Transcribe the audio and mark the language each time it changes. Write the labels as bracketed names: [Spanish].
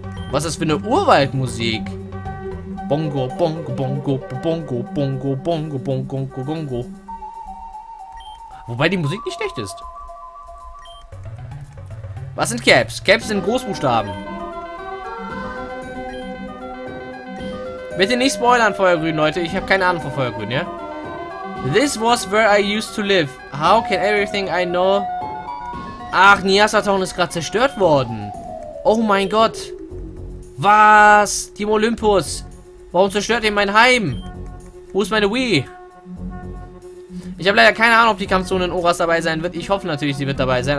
[German] Was ist das für eine Urwaldmusik? Bongo, bongo, bongo, bongo, bongo, bongo, bongo, bongo, bongo. Wobei die Musik nicht schlecht ist. Was sind Caps? Caps sind Großbuchstaben. Bitte nicht spoilern, Feuergrün, Leute. Ich habe keine Ahnung von Feuergrün, ja? [English] This was where I used to live. How can everything I know... [German] Ach, Nyasatown ist gerade zerstört worden. Oh mein Gott. Was? Team Olympus. Warum zerstört ihr mein Heim? Wo ist meine Wii? Ich habe leider keine Ahnung, ob die Kampfzone in Oras dabei sein wird. Ich hoffe natürlich, sie wird dabei sein.